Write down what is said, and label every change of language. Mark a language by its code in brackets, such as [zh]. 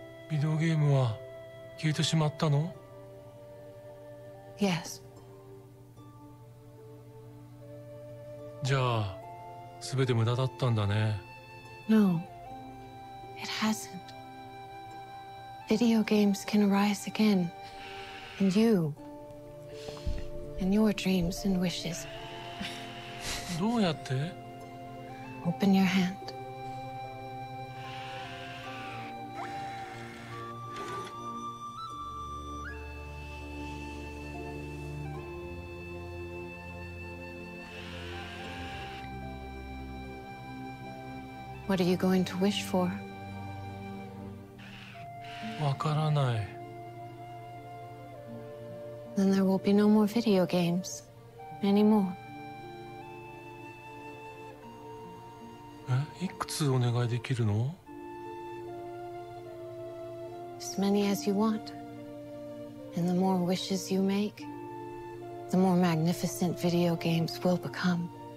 [ja] ビデオゲームは消えてしまったの? [en] Yes. [ja] じゃあ、すべて無駄だったんだね。 [en] No. It hasn't. Video games can arise again. And you. And your dreams and wishes. [ja] どうやって? [en] Open your hand. What are you going to wish for? [ja] わからない。 [en] Then there will be no more video games anymore. [ja] え、いくつお願いできるの? [en] As many as you want. And the more wishes you make, the more magnificent video games will become.